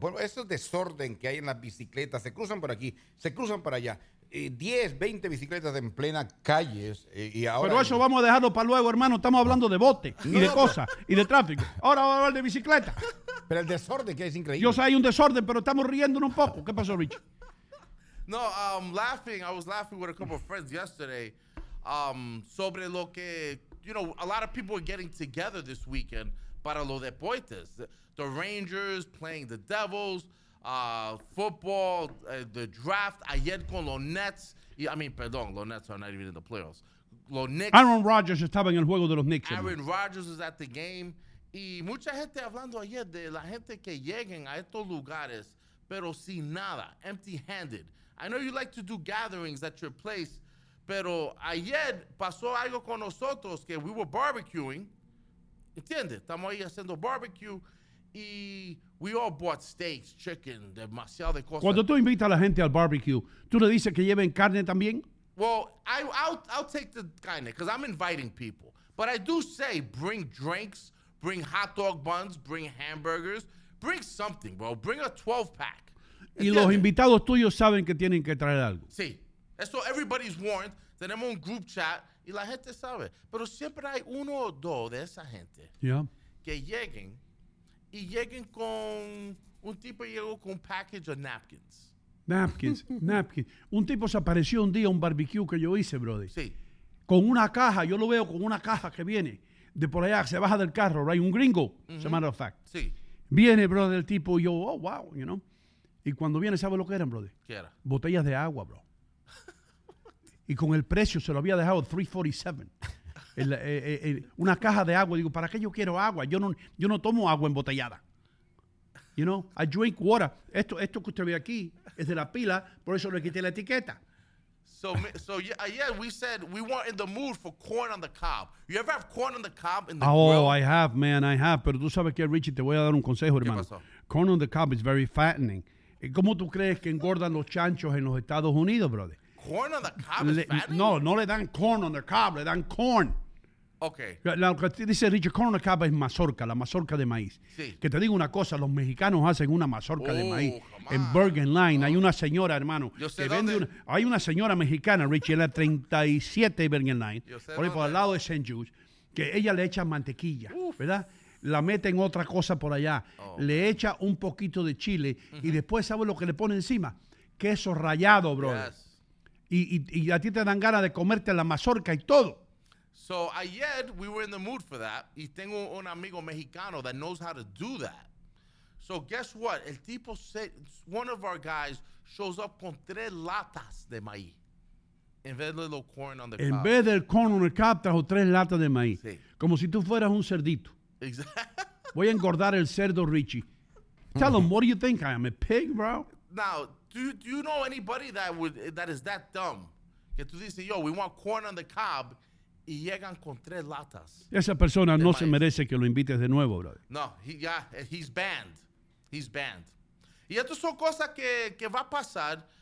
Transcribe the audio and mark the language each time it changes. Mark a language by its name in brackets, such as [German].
[Spanish] Bueno, ese desorden que hay en las bicicletas, se cruzan por aquí, se cruzan por allá. 10, 20 bicicletas en plena calle y ahora... Pero eso vamos a dejarlo para luego, hermano. Estamos hablando de bote y de cosas y de tráfico. Ahora vamos a hablar de bicicleta. Pero el desorden que es increíble. Yo sé, hay un desorden, pero estamos riéndonos un poco. ¿Qué pasó, Rich? [English] No, I was laughing with a couple of friends yesterday [Spanish] sobre lo que, [English] you know, a lot of people are getting together this weekend [Spanish] para los deportes. [English] The Rangers playing the Devils... football, the draft, [Spanish] ayer con los Nets. [English] Y, I mean, perdón, los Nets are not even in the playoffs. Los Knicks. [Spanish] Aaron Rodgers estaba en el juego de los Knicks. [English] Aaron Rodgers was at the game. [Spanish] Y mucha gente hablando ayer de la gente que lleguen a estos lugares, pero sin nada, empty-handed. [English] I know you like to do gatherings at your place, [Spanish] pero ayer pasó algo con nosotros que [English] we were barbecuing. [Spanish] ¿Entiendes? Estamos ahí haciendo barbecue y [English] we all bought steaks, chicken, [Spanish] demasiado de cosas. Cuando tú invitas a la gente al barbecue, ¿tú le dices que lleven carne también? [English] Well, I'll take the carne because I'm inviting people. But I do say bring drinks, bring hot dog buns, bring hamburgers, bring something, bro. Bring a 12-pack. [Spanish] Y los invitados tuyos saben que tienen que traer algo. [English] Sí. So everybody's warned. [Spanish] Tenemos un group chat y la gente sabe. Pero siempre hay uno o dos de esa gente que lleguen y lleguen con un tipo llegó con un [English] package of napkins. Napkins, napkins. [Spanish] Un tipo se apareció un día a un barbecue que yo hice, brother. Sí. Con una caja, yo lo veo con una caja que viene de por allá, se baja del carro, right? Un gringo, [English] as a matter of fact. [Spanish] Sí. Viene, brother, el tipo y yo, [English] oh, wow, you know. [Spanish] Y cuando viene, ¿sabe lo que eran, brother? ¿Qué era? Botellas de agua, bro. Y con el precio se lo había dejado $3.47. Una caja de agua. Digo, ¿para qué yo quiero agua? Yo no tomo agua embotellada. [English] You know, I drink water. [Spanish] Esto que usted ve aquí es de la pila, por eso le quité la etiqueta. [English] So, we said we weren't in the mood for corn on the cob. You ever have corn on the cob in the grill? Oh, I have, man, I have. [Spanish] Pero tú sabes que, Richie, te voy a dar un consejo, hermano. ¿Qué pasó? [English] Corn on the cob is very fattening. [Spanish] ¿Cómo tú crees que engordan los chanchos en los Estados Unidos, brother? [English] Corn on the cob is fattening? [Spanish] No le dan corn on the cob, le dan corn. [English] Okay. [Spanish] Lo que dice Richard, corn on the cob es mazorca, la mazorca de maíz. Sí. Que te digo una cosa, los mexicanos hacen una mazorca de maíz. En Bergen Line hay una señora, hermano. Yo sé que dónde. Vende una, hay una señora mexicana, Richie, en la 37 Bergen Line. Yo sé por al lado de St. Jude's, que ella le echa mantequilla, ¿verdad? La mete en otra cosa por allá. Le echa un poquito de chile y después, ¿sabes lo que le pone encima? Queso rallado, bro. [English] Yes. [Spanish] Y a ti te dan ganas de comerte la mazorca y todo. [English] So, [Spanish] ayer, [English] we were in the mood for that. [Spanish] Y tengo un amigo mexicano [English] that knows how to do that. So, guess what? [Spanish] El tipo, [English] one of our guys, shows up [Spanish] con tres latas de maíz. En vez del corn on the cob. En vez del corn on the cob, trajo tres latas de maíz. Sí. Como si tú fueras un cerdito. [English] Exactly. [Spanish] Voy a engordar el cerdo, [English] Richie. Tell him, what do you think? I am a pig, bro? Now, do you know anybody that is that dumb? [Spanish] Que tú dices, [English] yo, we want corn on the cob. [Spanish] Y llegan con tres latas. Esa persona no se merece que lo invites de nuevo, brother. [English] No, he's banned. He's banned. [Spanish] Y estas son cosas que va a pasar.